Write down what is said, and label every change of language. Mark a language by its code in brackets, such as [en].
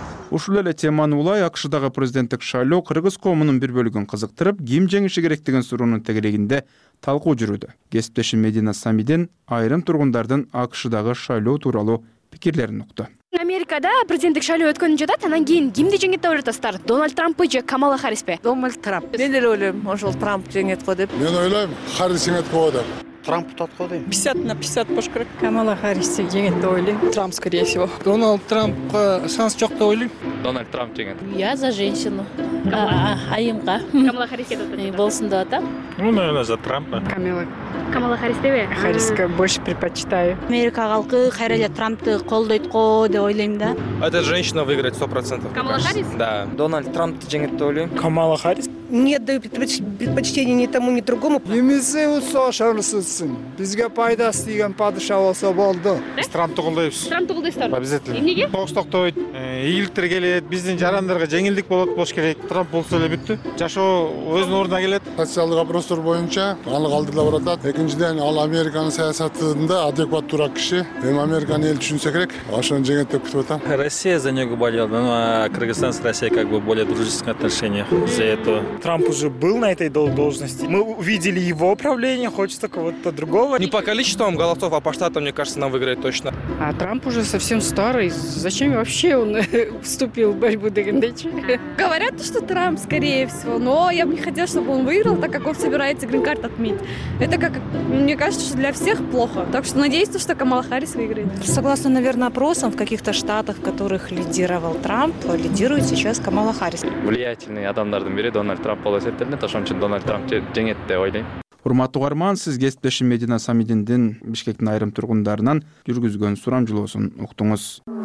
[ky] Ушул эле теманы улай АКШ-дагы президенттик шайлоо кыргыз коомунун бир бөлүгүн кызыктырып, ким жеңиши керек деген суроонун тегерегинде талкуу жүрүүдө. Кесиптешим Медина Самидин айрым тургундардын АКШ-дагы шайлоо тууралуу пикирлерин укту. Америкада президенттик шайлоо өткөнүн жатат, анан кийин кимди жеңет деп ойлотосуздар? Дональд Трамппы же Камала Харриспи? Дональд Трамп. Мен эле ойлойм, ошол Трамп жеңет го деп. Мен ойлойм, Харрис жеңет го деп. Трамп утат го дейм. 50-50 болуш керек. Камала Харрис жеңет деп ойлойм. [ru] Трамп скорее всего. [ky] Дональд Трампка шанс жок деп ойлойм. Дональд Трамп жеңет. [ru] Я за женщину. [ky] Айымга. Камала Харрис деп атам. Болсун деп атам. [ru] Ну, наверное, за Трампа. [ky] Камала Харрис деби? [ru] Харриска больше предпочитаю. [ky] Америка халкы кайра эле Трампты колдойт го деп ойлойм да. [ru] Эта женщина выиграет 100%. Камала Харрис? Да. [ky] Дональд Трампты жеңет деп ойлойм. Камала Харрис? [ru] Не отдаю предпочтение ни тому, ни другому. Немесе усо шарлысысын. [ky] Бизге пайдасы деген падыша болсо болду. Биз Трампты колдойбуз. Трампты колдойсуздар. [ru] Обязательно. [ky] Эмнеге? Согуш токтойт, ийгиликтер келет, биздин жарандарга жеңилдик болот болуш керек. Трамп болсо эле бүттү. Жашоо өзүнүн ордуна келет. Социалдык вопростор боюнча аны калдырылып атат. Экинчиден ал Американын саясатында адекват турак киши. Эми Американы эл түшүнсө керек, ошону жеңет деп күтүп атам. [ru] Россия за него болела, ну а Кыргызстан с Россией как бы более дружеские отношения из-за этого. Трамп уже был на этой должности. Мы увидели его управление, хочется кого-то другого. Не по количеству голосов, а по штатам, мне кажется, нам выиграет точно. А Трамп уже совсем старый. Зачем вообще он вступил в борьбу [ky] Дегендечи? [ru] Говорят, что Трамп, скорее всего, но я бы не хотела, чтобы он выиграл, так как он собирается грин-карт отменить. Это, как мне кажется, что для всех плохо. Так что надеюсь, что Камала Харрис выиграет. Согласно, наверное, опросам, в каких-то штатах, в которых лидировал Трамп, лидирует сейчас Камала Харрис. [ky] Влиятельный адамдардын бири Дональд Трамп болуп эсептелинет, ошон үчүн Дональд Трамп жеңет деп ойлойм. Урматтуу угарман, сиз кесиптешим Медина Самидиндин Бишкектин айрым тургундарынан жүргүзгөн сурамжылоосун уктуңуз.